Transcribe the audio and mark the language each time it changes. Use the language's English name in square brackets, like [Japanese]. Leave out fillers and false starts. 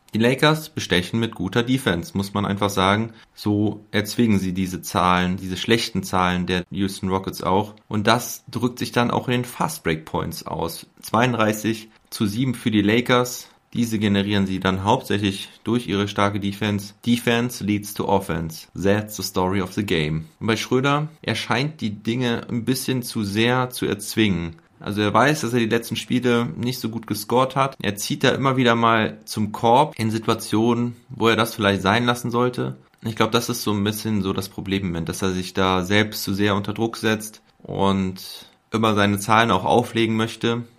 [German] Die Lakers bestechen mit guter Defense, muss man einfach sagen. So erzwingen sie diese Zahlen, diese schlechten Zahlen der Houston Rockets auch. Und das drückt sich dann auch in den Fastbreak-Points aus. 32-7 für die Lakers. Diese generieren sie dann hauptsächlich durch ihre starke Defense. [English] Defense leads to offense. That's the story of the game. [German] Und bei Schröder, er scheint die Dinge ein bisschen zu sehr zu erzwingen. Also er weiß, dass er die letzten Spiele nicht so gut gescored hat. Er zieht da immer wieder mal zum Korb in Situationen, wo er das vielleicht sein lassen sollte. Ich glaube, das ist so ein bisschen so das Problem, dass er sich da selbst zu sehr unter Druck setzt und immer seine Zahlen auch auflegen möchte.